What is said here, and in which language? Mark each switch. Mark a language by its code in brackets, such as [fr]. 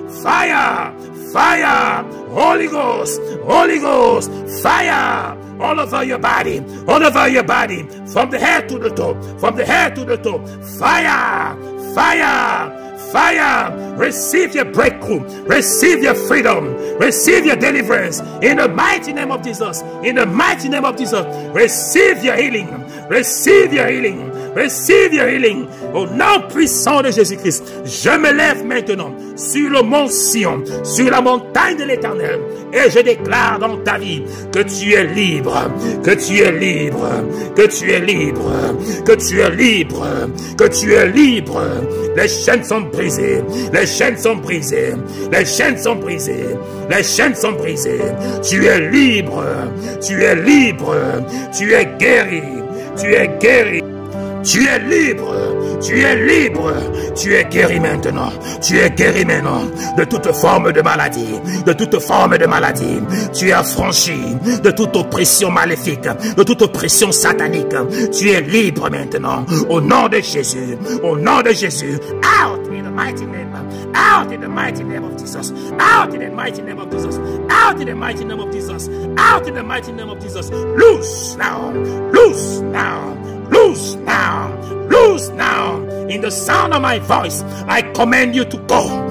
[en] Fire, fire, Holy Ghost, Holy Ghost, fire, all over your body, all over your body, from the head to the toe, from the head to the toe, fire, fire, fire, receive your breakthrough, receive your freedom, receive your deliverance, in the mighty name of Jesus, in the mighty name of Jesus, receive your healing, receive your healing, Receive your healing. [fr] Au nom puissant de Jésus-Christ, je me lève maintenant sur le mont Sion, sur la montagne de l'Éternel, et je déclare dans ta vie que tu es libre, que tu es libre, que tu es libre, que tu es libre, que tu es libre. Les chaînes sont brisées, les chaînes sont brisées, les chaînes sont brisées, les chaînes sont brisées. Tu es libre, tu es libre, tu es guéri, tu es guéri. Tu es libre, tu es libre, tu es guéri maintenant, tu es guéri maintenant de toute forme de maladie, de toute forme de maladie. Tu es affranchi de toute oppression maléfique, de toute oppression satanique. Tu es libre maintenant, au nom de Jésus, au nom de Jésus. [en] Out in the mighty name, out in the mighty name of Jesus, out in the mighty name of Jesus, out in the mighty name of Jesus, out in the mighty name of Jesus. Loose now, loose now. Loose now, loose now. In the sound of my voice, I command you to go.